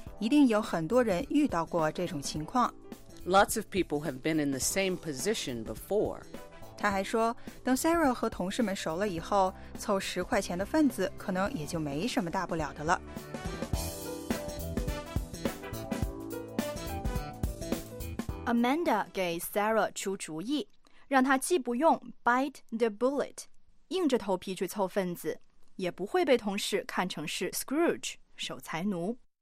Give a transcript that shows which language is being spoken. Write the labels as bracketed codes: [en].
[zh] 一定有很多人遇到过这种情况。 [en] Lots of people have been in the same position before. [zh] 他还说，等 Sarah 和同事们熟了以后，凑十块钱的份子可能也就没什么大不了的了。 Amanda 给 Sarah 出主意，让他既不用 bite the bullet， 硬着头皮去凑份子，也不会被同事看成是 Scrooge， 守财奴。